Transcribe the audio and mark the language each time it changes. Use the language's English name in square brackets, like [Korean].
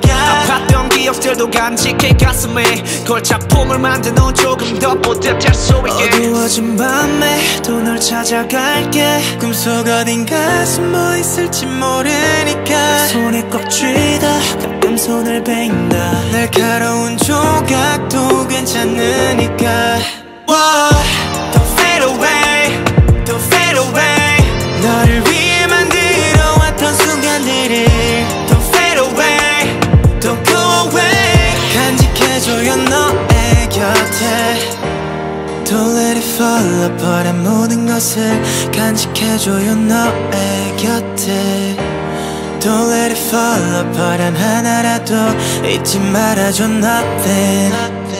[Korean] 아팠던 기억들도 간직해 가슴에 골차품을 만든 후 조금 더 보답할 수 있게 어두워진 밤에 또 널 찾아갈게 꿈속 어딘가 숨어 있을지 모르니까 손에 꼭 쥐다 가끔 손을 베인다 날카로운 조각도 괜찮으니까 [English] 와 Don't fade away Don't fade away [Korean] 너를 위해 만들어 왔던 순간들이 [English] Don't fade away Don't go away [Korean] 간직해줘요 너의 곁에 [English] Don't let it fall apart [Korean] 단 모든 것을 간직해줘요 너의 곁에 Don't let it fall apart 단 하나라도 잊지 말아줘 [English] nothing